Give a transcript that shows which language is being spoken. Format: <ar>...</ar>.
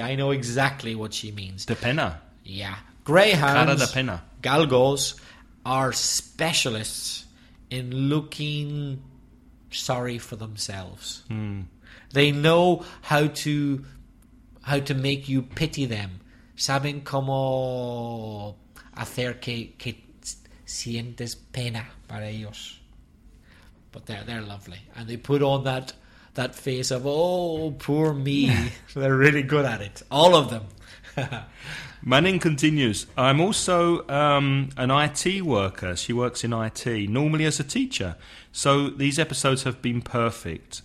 <en>I know exactly what she means.</en> <es>De pena.</es> <en>Yeah. Greyhounds,</en> <es>cara de pena.</es> <en>Galgos, are specialists in looking sorry for themselves. Mm. They know how to make you pity them.</en> <es>Saben cómo hacer que sientes pena para ellos.</es> <en>But they're lovely. And they put on that face of, oh, poor me. They're really good at it. All of them. Manning continues. I'm also an IT worker. She works in IT, normally as a teacher. So these episodes have been perfect.</en>